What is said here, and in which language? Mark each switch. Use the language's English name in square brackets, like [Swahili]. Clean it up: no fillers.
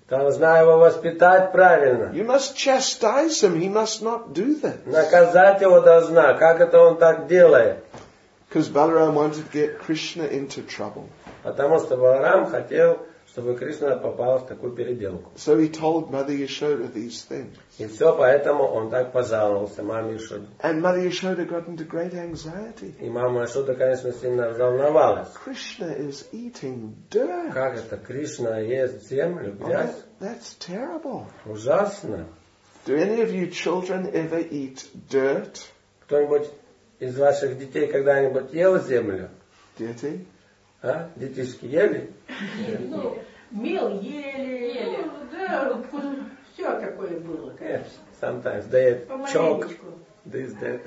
[Russian] Должна его воспитать правильно. [English] You must chastise him. He must not do this. [Russian] Наказать его должна. Как это он так делает? [English] Because Balaram wanted to get Krishna into trouble. [Russian] Потому что Баларам хотел, чтобы Кришна попал в такую переделку. [English] So he told Mother Yashoda these things. [Russian] И все поэтому он так пожаловался маме Яшоде. [English] And Mother Yashoda got into great anxiety. [Russian] И мама Яшода, конечно, сильно взволновалась. [English] Krishna is eating dirt. [Russian] Как это? Кришна ест землю, грязь? [English] That's terrible. [Russian] Ужасно. [English] Do any of you children ever eat dirt? [Russian] Кто-нибудь из ваших детей когда-нибудь ел землю? Дети? А? Детишки ели? Мел ели. Все такое было, конечно. [English] Sometimes they ate chalk. This, that.